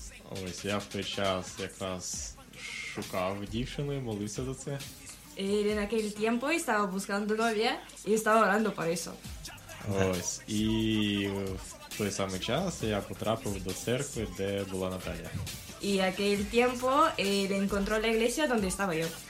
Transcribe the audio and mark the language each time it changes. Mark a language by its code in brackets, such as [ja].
[uk] Ось, я в той час якраз шукав дівчину і молився за це. [es] Él en aquel tiempo estaba buscando novia y estaba orando por eso. [uk] Ось, і... В той самий час я потрапив до церкви, де була Наталія. І [es] aquel tiempo él encontró la iglesia donde estaba yo.